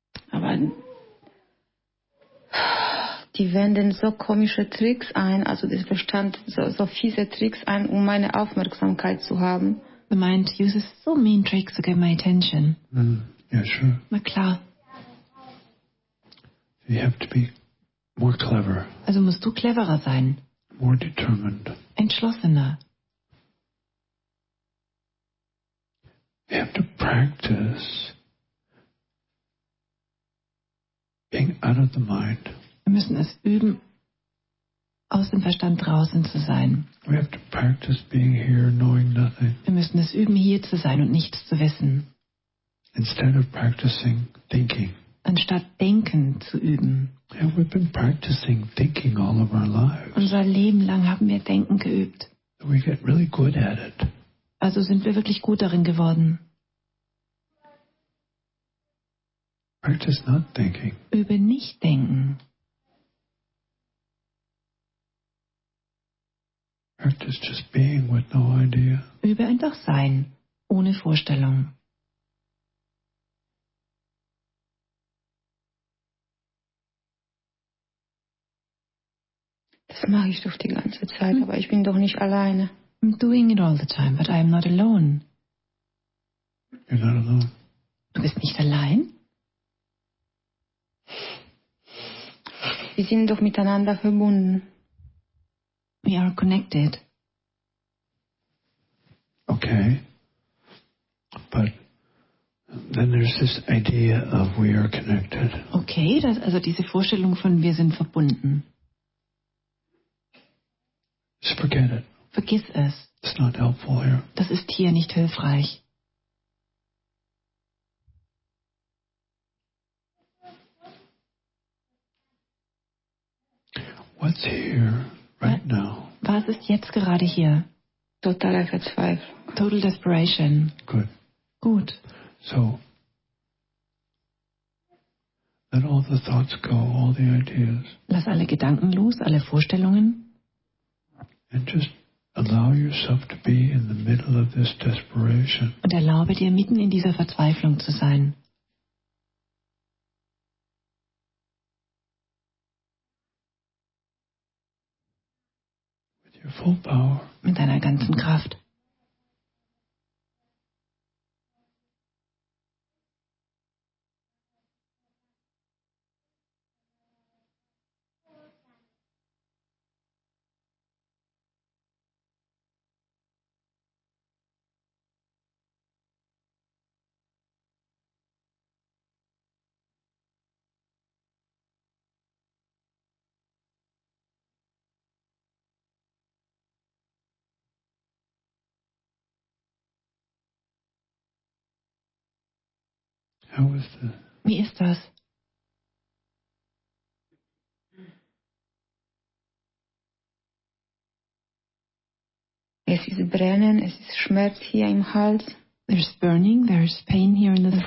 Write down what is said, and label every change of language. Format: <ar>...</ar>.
<de>Aber die wenden so komische Tricks ein, also der Verstand so fiese Tricks ein, um meine Aufmerksamkeit zu haben.</de> <en>The mind uses so mean tricks to get my attention. Mm, yeah, sure.</en> <de>Na klar.</de> <en>You have to be more clever.</en> <de>Also musst du cleverer sein.</de> <en>More determined.</en> <de>Entschlossener.</de> <en>You have to practice. Being out of the mind.</en> <de>Wir müssen es üben, aus dem Verstand draußen zu sein.</de> <en>We have to practice being here, knowing nothing.</en> <de>Wir müssen es üben, hier zu sein und nichts zu wissen.</de> <en>Instead of practicing thinking.</en> <de>Anstatt denken zu üben.</de> <en>Yeah, we've been practicing thinking all of our lives.</en> <de>Unser Leben lang haben wir Denken geübt.</de> <en>We get really good at it.</en> <de>Also sind wir wirklich gut darin geworden.</de> <en>Practice not thinking.</en> <de>Übe nicht denken.</de> <en>Practice just being with no idea.</en> <de>Übe einfach sein, ohne Vorstellung. Das mache ich doch die ganze Zeit, aber ich bin doch nicht alleine.</de> <en>I'm doing it all the time, but I'm not alone. You're not alone.</en> <de>Du bist nicht allein? Wir sind doch miteinander verbunden.</de> <en>We are connected. Okay. But then there's this idea of we are connected.</en> <de>Okay, das, also diese Vorstellung von wir sind verbunden.</de> <en>Just forget it.</en> <de>Vergiss es.</de> <en>It's not helpful here.</en> <de>Das ist hier nicht hilfreich.</de> <en>What's here right now?</en> <de>Was ist jetzt gerade hier? Totaler Verzweiflung.</de> <en>Total desperation. Good.</en> <de>Gut.</de> <en>So, let all the thoughts go, all the ideas.</en> <de>Lass alle Gedanken los, alle Vorstellungen.</de> <en>And just allow yourself to be in the middle of this desperation.</en> <de>Und erlaube dir, mitten in dieser Verzweiflung zu sein.</de> <en>With your full power.</en> <de>Mit deiner ganzen Kraft.</de> <en>How is the...</en> <de>Wie ist das? Es ist brennen, es ist Schmerz hier im Hals.</de> <en>There's burning, there's pain here in the throat.</en>